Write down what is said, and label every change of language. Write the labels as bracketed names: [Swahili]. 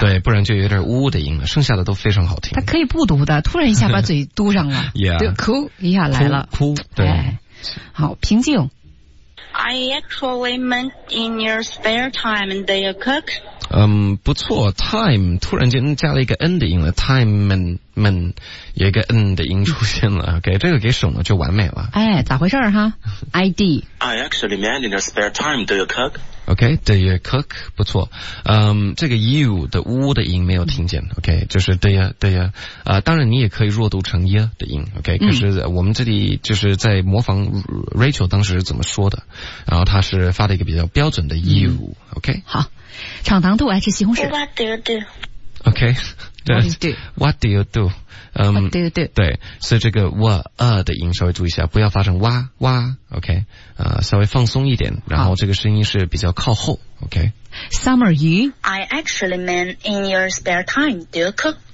[Chinese] 对不然就有点呜的音了剩下的都非常好听他可以不嘟的突然一下把嘴嘟上了 [English] yeah, [Chinese] 对哭一下来了哭对、哎、好平静 [English] I actually meant in your spare time do you cook [Chinese] 不错 time 突然间加了一个 n 的音了 time men 有一个 n 的音出现了给这个给省了就完美了哎咋回事哈 ID [English] I actually meant in your spare time do you cook OK do you cook [Chinese] 不错这个 you 的 u 的音没有听见 OK 就是 do you 当然你也可以弱读成 ye 的音 OK 可是我们这里就是在模仿 Rachel 当时怎么说的然后他是发了一个比较标准的 you OK 好闯堂兔爱吃西红柿 [English] What do you do? OK What do you do? What do you do? [Chinese] 对所以这个 what 的音稍微注意一下不要发成哇哇 OK 稍微放松一点然后这个声音是比较靠后 OK [English] Summer you I actually meant in your spare time do you cook?